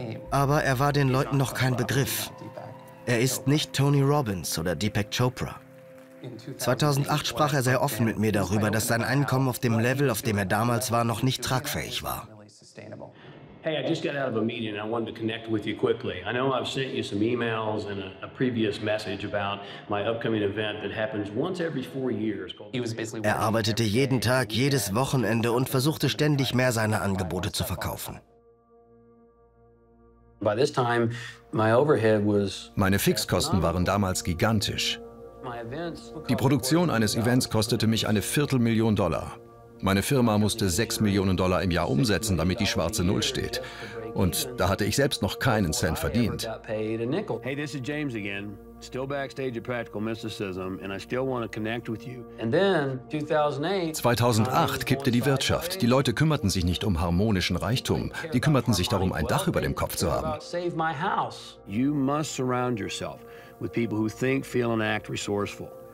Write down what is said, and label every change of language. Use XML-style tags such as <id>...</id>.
<de>Aber er war den Leuten noch kein Begriff. Er ist nicht Tony Robbins oder Deepak Chopra. 2008 sprach er sehr offen mit mir darüber, dass sein Einkommen auf dem Level, auf dem er damals war, noch nicht tragfähig war.</de> <en>Hey, I just got out of a meeting and I wanted to connect with you quickly. I know I've sent you some emails and a previous message about my upcoming event that happens once every 4 years.</en> <de>Er arbeitete jeden Tag, jedes Wochenende und versuchte ständig mehr seiner Angebote zu verkaufen.</de> <en>By this time, my overhead was.</en> <de>Meine Fixkosten waren damals gigantisch. Die Produktion eines Events kostete mich eine Viertelmillion Dollar. Meine Firma musste $6 Millionen im Jahr umsetzen, damit die schwarze Null steht. Und da hatte ich selbst noch keinen Cent verdient.</de> <en>Hey, this is James again. Still backstage at Practical Mysticism, and I still want to connect with you.</en> <de>2008 kippte die Wirtschaft. Die Leute kümmerten sich nicht um harmonischen Reichtum. Die kümmerten sich darum, ein Dach über dem Kopf zu haben.</de> <en>Save my house. You must surround yourself with people who think, feel and act resourceful.</en>